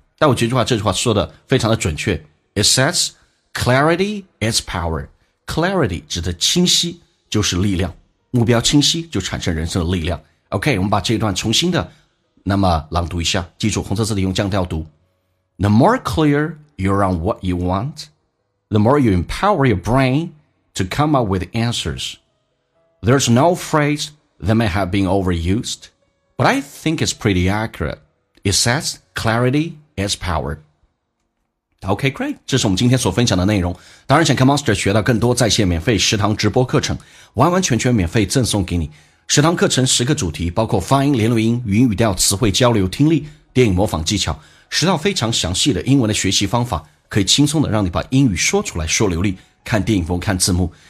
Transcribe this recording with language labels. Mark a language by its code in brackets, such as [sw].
[zh] 但我觉得这句话说的非常的准确。 [en] It says clarity is power。 [zh] Clarity 指的清晰就是力量，目标清晰就产生人生的力量。 OK， 我们把这一段重新的那么朗读一下，记住红色字的用降调读。 [en] The more clear you're on what you want, the more you empower your brain to come up with answers. There's no phrase that may have been overused, but I think it's pretty accurate. It says clarity is power. OK, great. [zh] 这是我们今天所分享的内容。当然想看 Monster 学到更多在线免费食堂直播课程，完完全全免费赠送给你。食堂课程十个主题，包括发音、连读音、语音语调、词汇交流、听力、电影模仿技巧，十套非常详细的英文的学习方法，可以轻松的让你把英语说出来说流利，看电影不用看字幕。